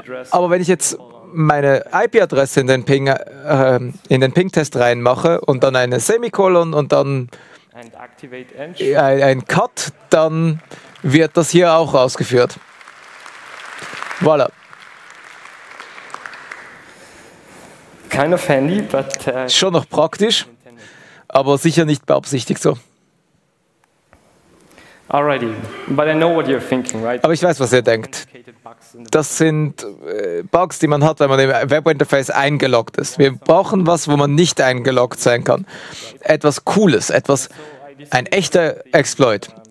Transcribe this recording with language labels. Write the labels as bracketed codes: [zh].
[de] Aber wenn ich jetzt meine IP-Adresse in den Ping-Test reinmache und dann eine Semikolon und dann ein Cut, dann wird das hier auch ausgeführt. Voilà. [en] Kind of handy, but [de] schon noch praktisch, aber sicher nicht beabsichtigt so. [en] Alrighty, but I know what you're thinking, right? [de] Aber ich weiß, was ihr denkt. Das sind Bugs, die man hat, wenn man im Webinterface eingeloggt ist. Wir brauchen was, wo man nicht eingeloggt sein kann. Etwas Cooles, etwas, ein echter Exploit.